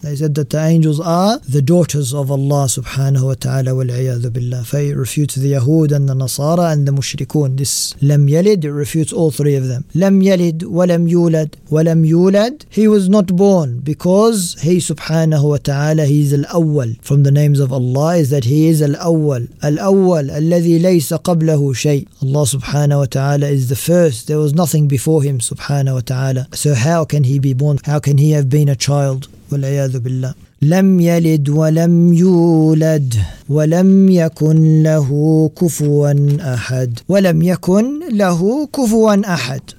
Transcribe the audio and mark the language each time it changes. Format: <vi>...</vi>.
<en>They said that the angels are the daughters of Allah subhanahu wa ta'ala wal'iyadhu billah. For it refutes the Yahud and the Nasara and the Mushrikun. This lam yalid, it refutes all three of them. Lam yalid wa lam yulad. Wa lam yulad, he was not born, because he subhanahu wa ta'ala, he is al-awwal. From the names of Allah is that he is al-awwal.</en> <ar>Al-awwal, الذي ليس قبله شيء.</ar> <en>Allah subhanahu wa ta'ala is the first. There was nothing before him subhanahu wa ta'ala. So how can he be born? How can he have been a child? وَالْعِيَاذُ بِاللَّهِ.</en> <ar>لَمْ يَلِدْ وَلَمْ يُولَدْ وَلَمْ يَكُنْ لَهُ كُفُوًا أَحَدٌ وَلَمْ يَكُنْ لَهُ كُفُوًا أَحَدٌ.</ar>